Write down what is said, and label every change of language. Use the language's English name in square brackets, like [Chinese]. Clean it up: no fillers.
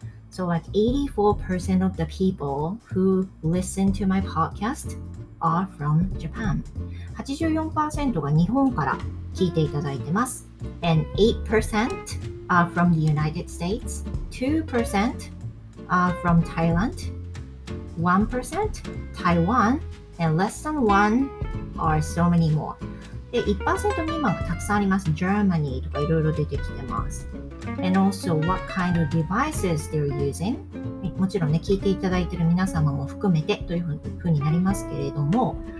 [English] So like 84% of the people who listen to my podcast are from Japan. [Japanese] 84% が日本から聞いていただいてます。 [English] And 8% are from the United States. 2% are from Thailand. 1% Taiwan. And less than 1 are so many more. [Japanese] で、1% 未満がたくさんあります。 Germany とかいろいろ出てきてます。 [English] And also, what kind of devices they're using? [Japanese] もちろんね、聞いていただいている皆様も含めてというふうになりますけれども、